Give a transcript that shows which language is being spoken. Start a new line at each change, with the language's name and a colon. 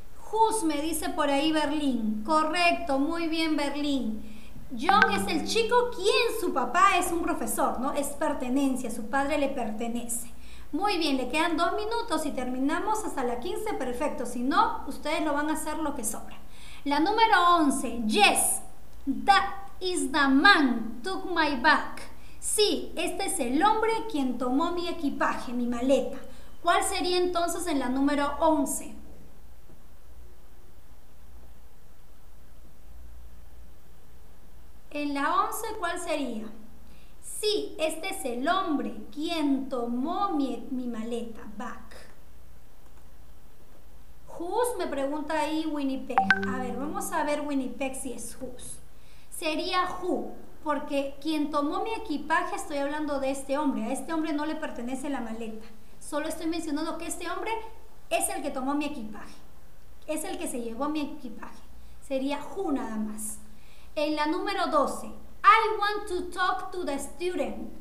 Spanish: Who's, me dice por ahí Berlín. Correcto, muy bien Berlín. John es el chico quien su papá es un profesor, ¿no? Es pertenencia, su padre le pertenece. Muy bien, le quedan 2 minutos y terminamos hasta la 15, perfecto. Si no, ustedes lo van a hacer lo que sobra. La número
English: 11, yes, that is the man took my bag.
Spanish: Sí, este es el hombre quien tomó mi equipaje, mi maleta. ¿Cuál sería entonces en la número 11? En la 11, ¿cuál sería? Sí, este es el hombre quien tomó mi maleta, back. Who's, me pregunta ahí Winnipeg. A ver, vamos a ver Winnipeg si es who's. Sería who, porque quien tomó mi equipaje, estoy hablando de este hombre. A este hombre no le pertenece la maleta. Solo estoy mencionando que este hombre es el que tomó mi equipaje. Es el que se llevó mi equipaje. Sería who nada más. En la número
English: 12, I want to talk to the student.